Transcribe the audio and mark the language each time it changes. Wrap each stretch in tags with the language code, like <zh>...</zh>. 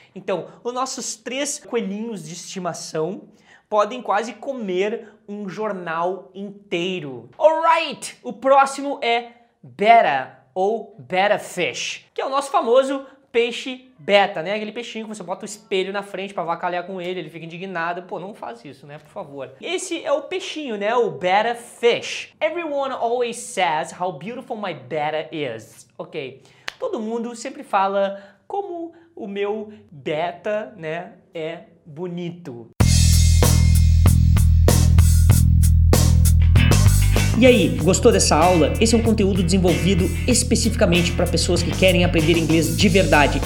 <pt>Então, os nossos três coelhinhos de estimação podem quase comer um jornal inteiro. Alright! O próximo é betta ou betta fish, que é o nosso famoso peixe beta, né? Aquele peixinho que você bota o espelho na frente pra avacalhar com ele, ele fica indignado. Pô, não faz isso, né? Por favor. Esse é o peixinho, né? O betta fish.</pt> <en>Everyone always says how beautiful my betta is. Ok.</en> <pt>Todo mundo sempre fala como o meu beta, né, é bonito. E aí, gostou dessa aula? Esse é um conteúdo desenvolvido especificamente para pessoas que querem aprender inglês de verdade.</pt>